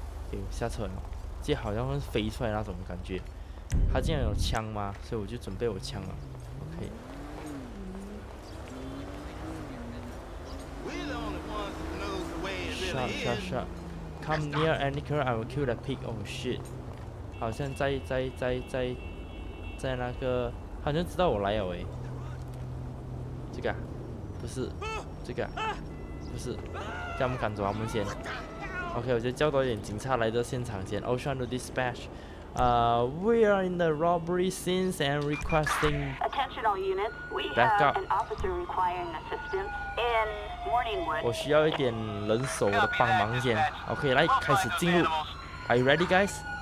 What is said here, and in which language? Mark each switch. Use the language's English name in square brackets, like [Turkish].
[Chinese] Okay, 下车了，这好像会飞出来那种感觉。他竟然有枪吗？所以我就准备我枪了。Okay. [English] Shut. Come near any car, I will kill the pig. Oh shit! [Chinese] 好像在那个，好像知道我来了喂。这个、啊，不是，这个、啊，不是，叫我们赶走他们先。 OK， 我就叫多一点警察来到现场先。 [English] Ocean to dispatch， we are in the robbery scene and requesting attention all units. We have an officer requiring assistance in Morningwood. [Chinese] 我需要一点人手的帮忙先。OK， 来开始进入。 [English] Are you ready, guys?